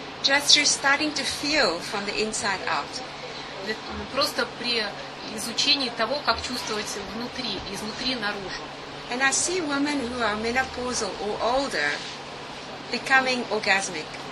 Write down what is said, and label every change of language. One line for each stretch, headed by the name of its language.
English: Just through starting to feel from the inside out.
Russian: Просто при изучении того, как чувствовать внутри, изнутри наружу.
English: And I see women who are menopausal or older becoming orgasmic.